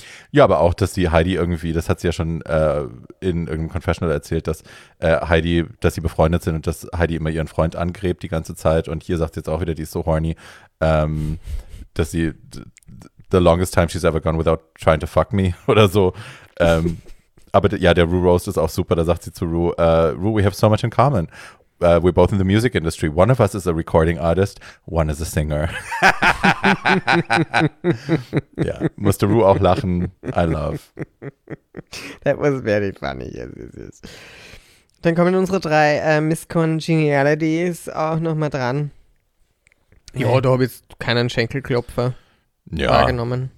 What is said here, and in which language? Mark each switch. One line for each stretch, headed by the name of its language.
German: Ja, aber auch, dass die Heidi irgendwie, das hat sie ja schon in irgendeinem Confessional erzählt, dass Heidi, dass sie befreundet sind und dass Heidi immer ihren Freund angräbt die ganze Zeit. Und hier sagt sie jetzt auch wieder, die ist so horny, dass sie,
English: the longest time she's ever gone without trying to fuck me
German: oder so. aber ja, der Ru Roast ist auch super, da sagt sie zu Ru, Ru,
English: we have so much in common. We're both in the music industry. One of us is a recording artist, one is a singer.
German: Ja, musste Ru auch lachen.
English: I love. That was very funny. Yes, yes, yes.
German: Dann kommen unsere drei Miss Congenialities auch nochmal dran. Ja, hey. Da habe ich jetzt keinen Schenkelklopfer wahrgenommen.